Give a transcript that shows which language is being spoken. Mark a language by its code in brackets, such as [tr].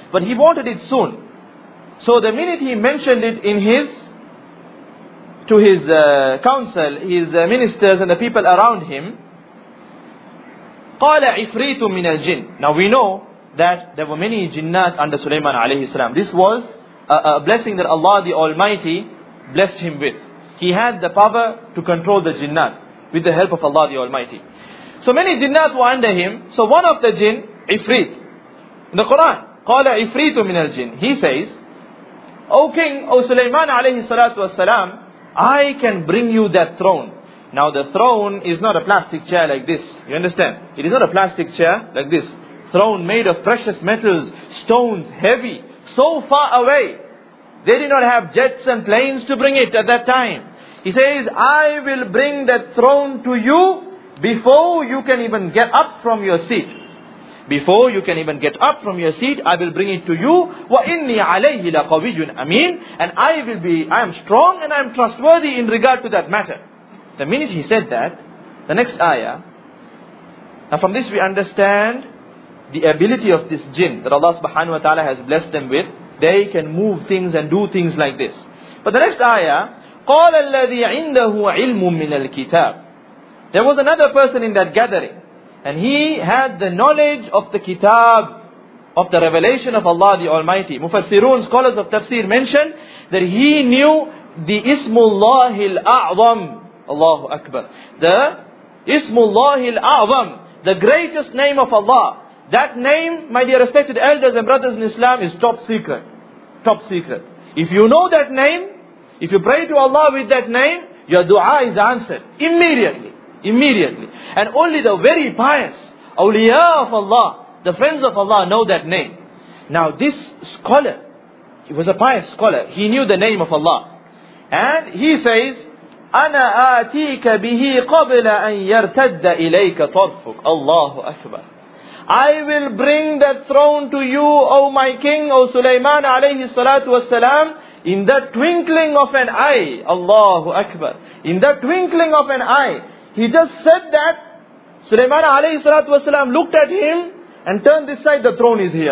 [en] But he wanted it soon. So the minute he mentioned it in his, to his council, his ministers and the people around him, [ar] قَالَ عِفْرِيتٌ مِّنَ الْجِنِ. [en] Now we know that there were many jinnat under Sulaiman alayhi salam. This was a blessing that Allah the Almighty blessed him with. He had the power to control the jinnat with the help of Allah the Almighty. So many jinnat were under him. So one of the jinn, Ifrit. In the Quran, [ar] قَالَ عِفْرِيتٌ مِّنَ الْجِنِ. [en] He says, O King, O Sulaiman alayhi salatu wasalam, I can bring you that throne. Now the throne is not a plastic chair like this. You understand? It is not a plastic chair like this. Throne made of precious metals, stones, heavy, so far away. They did not have jets and planes to bring it at that time. He says, I will bring that throne to you before you can even get up from your seat. Before you can even get up from your seat, I will bring it to you. [ar] وَإِنِّي عَلَيْهِ لَقَوِيٌّ أَمِينٌ. [en] And I am strong and I am trustworthy in regard to that matter. The minute he said that, the next ayah. Now from this we understand the ability of this jinn that Allah subhanahu wa ta'ala has blessed them with. They can move things and do things like this. But the next ayah, [ar] قَالَ الَّذِي عِنْدَهُ عِلْمٌ مِّنَ الْكِتَابِ. [en] There was another person in that gathering. And he had the knowledge of the kitab, of the revelation of Allah the Almighty. Mufassirun, scholars of tafsir mention that he knew the Ismullahil A'zam. Allahu Akbar. The Ismullahil A'zam, the greatest name of Allah. That name, my dear respected elders and brothers in Islam, is top secret. Top secret. If you know that name, if you pray to Allah with that name, your dua is answered immediately. Immediately. And only the very pious, awliya of Allah, the friends of Allah know that name. Now this scholar, he was a pious scholar. He knew the name of Allah. And he says, [ar] أَنَا آتِيكَ بِهِ قَبْلَ أَن يَرْتَدَّ إِلَيْكَ طَرْفُكَ. Allahu Akbar. [en] I will bring that throne to you, O my king, O Sulaiman alayhi salatu wasalam, in the twinkling of an eye. Allahu Akbar. In the twinkling of an eye. He just said that, Sulaiman alayhi salatu wasalam looked at him and turned this side, the throne is here.